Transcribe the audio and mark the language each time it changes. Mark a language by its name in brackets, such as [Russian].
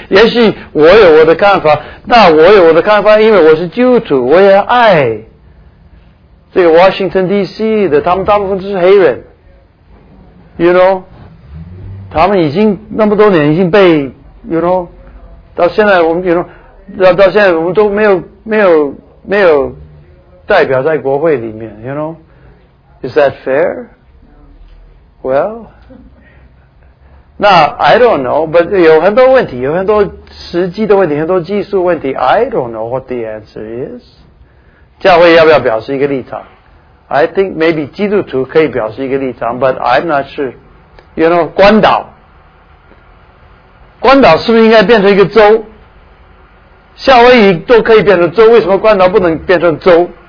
[Chinese] 也许我有我的看法那我有我的看法因为我是基督徒我也爱这个 Washington DC 的他们大部分都是黑人 [English] You know [Chinese] 他们已经那么多年已经被 [English] You know [Chinese] 到现在我们 [English] You know [Chinese] 到现在我们都没有代表在国会里面 You know [English] Is that fair? Well Now, I don't know, but [Chinese] 有很多问题，有很多实际的问题，很多技术问题。 [English] I don't know what the answer is. [Chinese] 教会要不要表示一个立场 ？ [English] I think maybe [Chinese] 基督徒可以表示一个立场 ， [English] but I'm not sure. You know, [Chinese] 关岛是不是应该变成一个州？夏威夷都可以变成州，为什么关岛不能变成州？